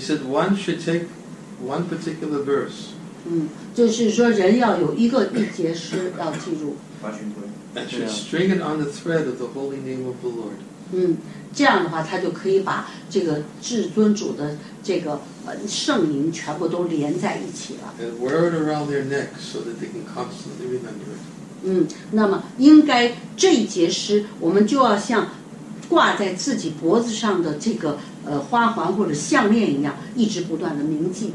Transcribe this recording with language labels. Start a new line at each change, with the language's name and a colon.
English: said one should take。 One particular verse.
Chinese: 嗯，就是说人要有一个一节诗要记住。
English: And should string it on the thread of the holy name of the Lord.
Chinese: 嗯，这样的话，他就可以把这个至尊主的这个圣名全部都连在一起了。
English: And wear it around their neck so that they can constantly remember it.
Chinese: 嗯，那么应该这一节诗，我们就要像挂在自己脖子上的这个。花环或者项链一样，一直不断的铭记。